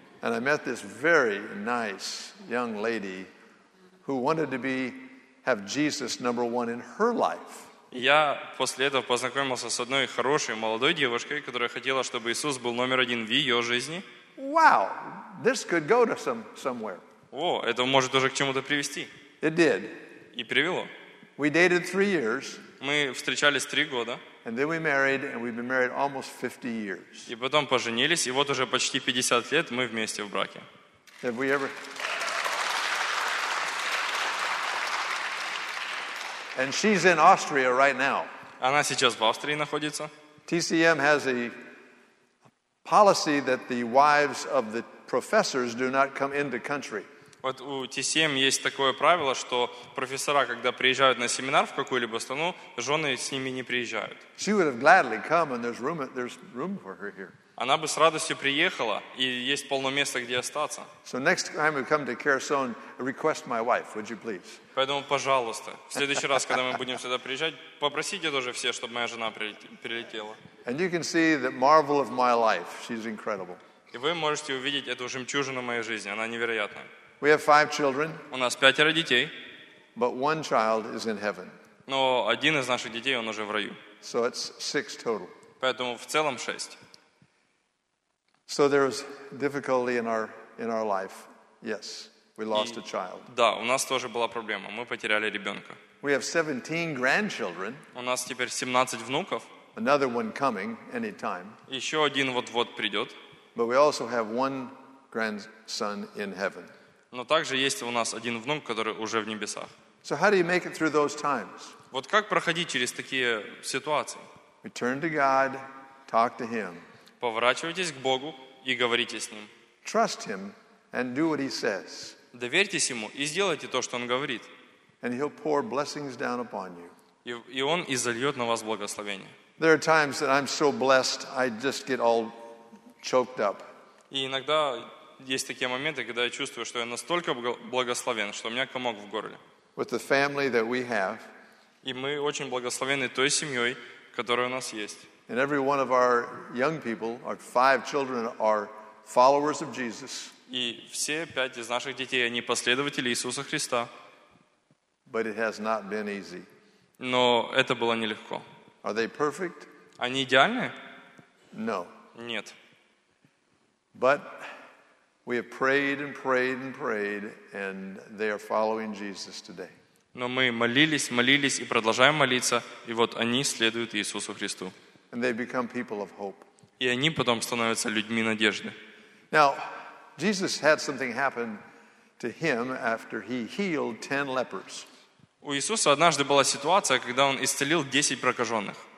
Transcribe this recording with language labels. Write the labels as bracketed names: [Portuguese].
[English] And I met this very nice young lady who wanted to be have Jesus number one in her life. [Russian] Я после этого познакомился с одной хорошей молодой девушкой, которая хотела, чтобы Иисус был номер один в ее жизни. [English] Wow, this could go to somewhere. [Russian] О, это может уже к чему-то привести. [English] It did. [Russian] И привело. [English] We dated 3 years. [Russian] Мы встречались 3 года. [English] And then we married, and we've been married almost 50 years. [Russian] И потом поженились, и вот уже почти 50 лет мы вместе в браке. [English] Have we ever? And she's in Austria right now. [Russian] Она сейчас в Австрии находится. [English] TCM has a policy that the wives of the professors do not come into country. [Russian] Вот у TCM есть такое правило, что профессора, когда приезжают на семинар в какую-либо страну, жены с ними не приезжают. [English] She would have gladly come, and there's room for her here. [Russian] Она бы с радостью приехала, и есть полно места, где остаться. [English] So next time we come to Kherson, request my wife, would you please? [Russian] Поэтому, пожалуйста, в следующий раз, когда мы будем сюда приезжать, попросите тоже все, чтобы моя жена прилетела. [English] And you can see the marvel of my life. She's incredible. [Russian] И вы можете увидеть эту жемчужину моей жизни. Она невероятная. [English] We have 5 children. [Russian] У нас 5 детей. [English] But one child is in heaven. [Russian] Но один из наших детей, он уже в раю. [English] So it's 6 total. [Russian] Поэтому в целом 6. [English] So there's difficulty in our life. Yes, we lost a child. [Russian] Да, у нас тоже была проблема. Мы потеряли ребенка. [English] We have 17 grandchildren. [Russian] У нас теперь 17 внуков. [English] Another one coming anytime. [Russian] Еще один вот-вот придет. [English] But we also have one grandson in heaven. [Russian] Но также есть у нас один внук, который уже в небесах. [English] So how do you make it through those times? [Russian] Вот как проходить через такие ситуации? [English] We turn to God, talk to Him. [Russian] Поворачивайтесь к Богу и говорите с Ним. [English] Trust Him and do what He says. [Russian] Доверьтесь Ему и сделайте то, что Он говорит. [English] And He'll pour blessings down upon you. [Russian] И Он изольет на вас благословение. [English] There are times that I'm so blessed, I just get all choked up. [Russian] И иногда есть такие моменты, когда я чувствую, что я настолько благословен, что у меня комок в горле. [English] With the family that we have. [Russian] И мы очень благословены той семьей, которая у нас есть. [English] And every one of our young people, our 5 children, are followers of Jesus. [Russian] И все 5 из наших детей, они последователи Иисуса Христа. [English] But it has not been easy. [Russian] Но это было нелегко. [English] Are they perfect? [Russian] Они идеальны? [English] No. [Russian] Нет. [English] But we have prayed and prayed and prayed, and they are following Jesus today. [Russian] Но мы молились, молились и продолжаем молиться, и вот они следуют Иисусу Христу. [English] And they become people of hope. [Russian] И они потом становятся людьми надежды. [English] Now, Jesus had something happen to him after he healed 10 lepers. [Russian] У Иисуса однажды была ситуация, когда он исцелил 10 прокаженных.